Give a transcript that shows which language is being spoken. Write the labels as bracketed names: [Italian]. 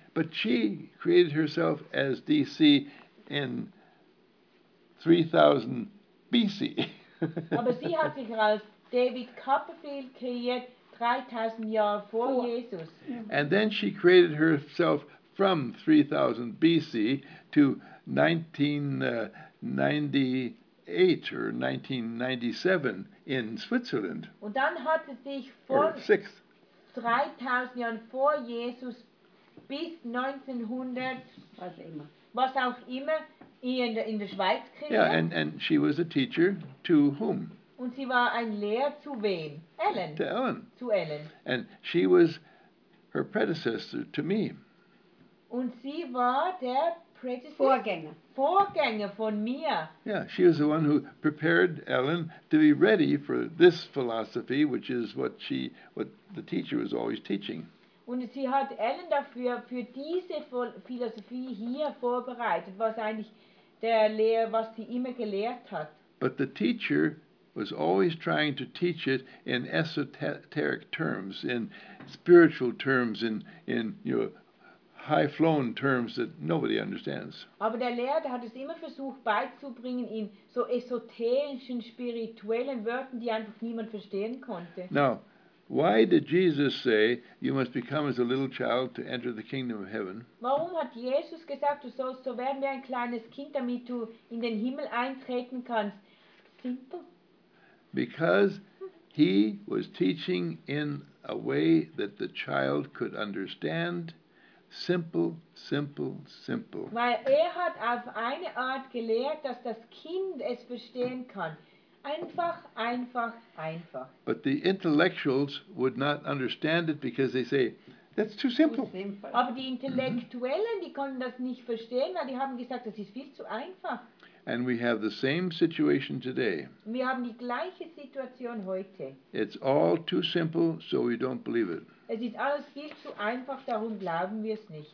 [English] But she created herself as DC in 3000 BC. [German] Aber sie hat sich als David Copperfield kreiert. 3000 Jahre vor Jesus. [English] And then she created herself from 3000 BC to 1998 or 1997 in Switzerland. [German] Und dann hat sie sich von 3000 Jahren vor Jesus bis 1900, was auch immer, in der Schweiz kriegen. Ja, [English] and she was a teacher to whom? [German] Und sie war ein Lehrer zu wem? [English] Ellen. To Ellen. [German] Zu Ellen. [English] And she was her predecessor to me. [German] Und sie war der predecessor? Vorgänger. Vorgänger von mir. [English] Yeah, she was the one who prepared Ellen to be ready for this philosophy, which is what the teacher was always teaching. [German] Und sie hat Ellen dafür, für diese Philosophie hier vorbereitet, was eigentlich der Lehrer, was sie immer gelehrt hat. [English] But the teacher was always trying to teach it in esoteric terms, in spiritual terms, in you know, high-flown terms that nobody understands. [German] Aber der Lehrer, der hat es immer versucht beizubringen in so esoterischen, spirituellen Wörtern, die einfach niemand verstehen konnte. [English] Now, why did Jesus say you must become as a little child to enter the kingdom of heaven? [German] Warum hat Jesus gesagt, du sollst so werden wie ein kleines Kind, damit du in den Himmel eintreten kannst? [English] Simple. Because he was teaching in a way that the child could understand. Simple, simple, simple. [German] Weil er hat auf eine Art gelehrt, dass das Kind es verstehen kann. Einfach, einfach, einfach. [English] But the intellectuals would not understand it because they say, that's too simple. [German] Aber die Intellektuellen, die konnten das nicht verstehen, weil die haben gesagt, das ist viel zu einfach. [English] And we have the same situation today. [German] Wir haben die gleiche Situation heute. [English] It's all too simple, so we don't believe it. [German] Es ist alles viel zu einfach, darum glauben wir es nicht.